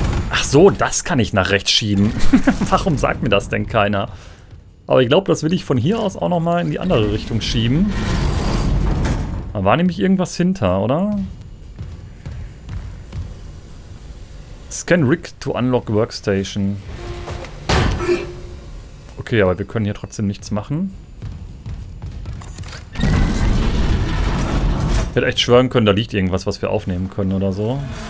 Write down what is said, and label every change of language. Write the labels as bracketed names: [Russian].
[German] Ach so, das kann ich nach rechts schieben. Warum sagt mir das denn keiner? Aber ich glaube, das will ich von hier aus auch nochmal in die andere Richtung schieben. Da war nämlich irgendwas hinter, oder? [English] Scan Rig to unlock Workstation. [German] Okay, aber wir können hier trotzdem nichts machen. Ich hätte echt schwören können, da liegt irgendwas, was wir aufnehmen können oder so.